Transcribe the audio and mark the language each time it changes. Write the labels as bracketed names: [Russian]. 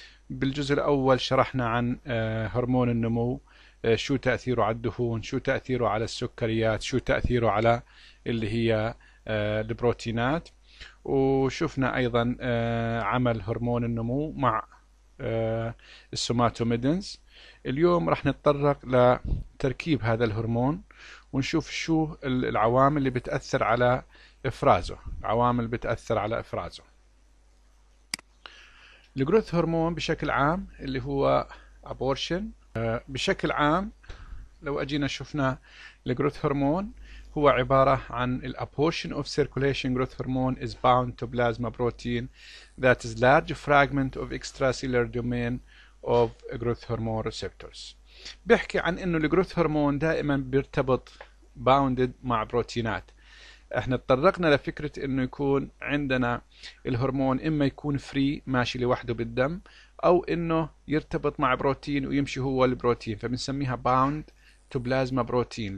[Arabic] بالجزء الأول شرحنا عن هرمون النمو، شو تأثيره على الدهون، شو تأثيره على السكريات، شو تأثيره على اللي هي البروتينات، وشفنا أيضا عمل هرمون النمو مع السوماتوميدنز. اليوم راح نتطرق لتركيب هذا الهرمون ونشوف شو العوامل اللي بتأثر على إفرازه، العوامل اللي بتأثر على إفرازه. [English] الجروث هرمون بشكل عام اللي هو أبورشن، بشكل عام لو أجينا شفنا الجروث هرمون هو عبارة عن الـ A portion of circulation growth hormone is bound to plasma protein that is large fragment of extracellular domain of growth hormone receptors. [Arabic] بيحكي عن إنه الـ growth hormone دائما بيرتبط bounded مع بروتينات. احنا اتطرقنا لفكرة إنه يكون عندنا الهرمون إما يكون free ماشي لوحده بالدم أو إنه يرتبط مع بروتين ويمشي هو البروتين، فبنسميها bound تو بلازما بروتين.